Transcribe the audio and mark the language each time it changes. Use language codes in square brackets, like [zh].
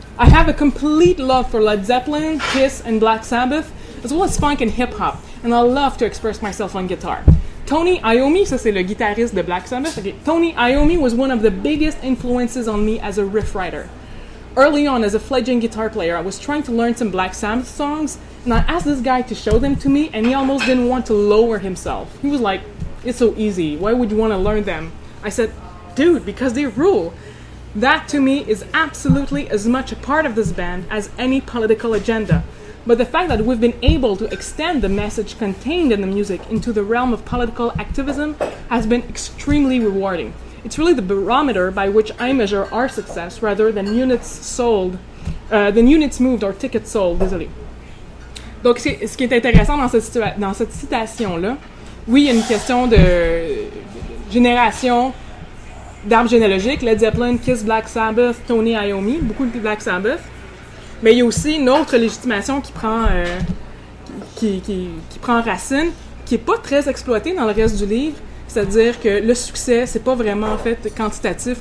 [en] I have a complete love for Led Zeppelin, Kiss and Black Sabbath, as well as funk and hip-hop, and I love to express myself on guitar. [fr] Tony Iommi, ça c'est le guitariste de Black Sabbath, okay. [en] Tony Iommi was one of the biggest influences on me as a riff writer. Early on, as a fledgling guitar player, I was trying to learn some Black Sabbath songs, and I asked this guy to show them to me, and he almost didn't want to lower himself. He was like, it's so easy, why would you want to learn them? I said, dude, because they rule. That, to me, is absolutely as much a part of this band as any political agenda. But the fact that we've been able to extend the message contained in the music into the realm of political activism has been extremely rewarding. It's really the barometer by which I measure our success rather than units moved or tickets sold. [fr] Désolé. Donc, ce qui est intéressant dans cette citation-là, oui, il y a une question de génération d'arbres généalogiques, Led Zeppelin, Kiss, Black Sabbath, Tony Iommi, beaucoup de Black Sabbath. Mais il y a aussi une autre légitimation qui prend racine, qui n'est pas très exploitée dans le reste du livre, c'est-à-dire que le succès, c'est pas vraiment en fait quantitatif.